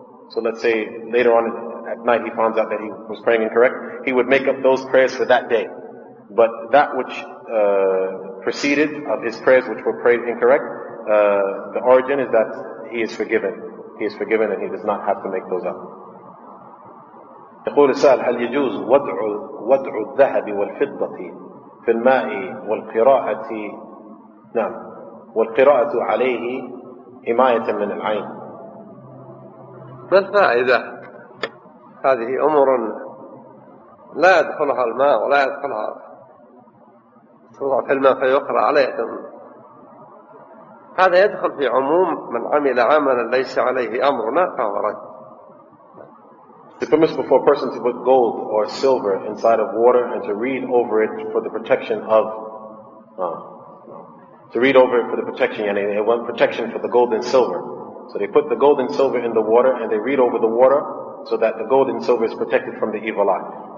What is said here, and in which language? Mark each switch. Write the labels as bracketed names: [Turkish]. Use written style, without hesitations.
[English] So let's say later on at night he finds out that he was praying incorrect, he would make up those prayers for that day. But that which preceded of his prayers which were prayed incorrect, the origin is that he is forgiven. He is forgiven and he does not have to make those up. [Arabic] يقول السائل هل يجوز وضع الذهب والفضة في الماء والقراءة نعم والقراءة عليه حماية من العين؟ ما الفائدة؟ هذه أمور لا يدخلها الماء ولا يدخلها توضع في الماء فيقرأ عليه هذا يدخل في عموم من عمل عملا ليس عليه أمرنا فهو رد. [English] It permits for a person to put gold or silver inside of water and to read over it for the protection of Yani they want protection for the gold and silver. So they put the gold and silver in the water and they read over the water so that the gold and silver is protected from the evil eye.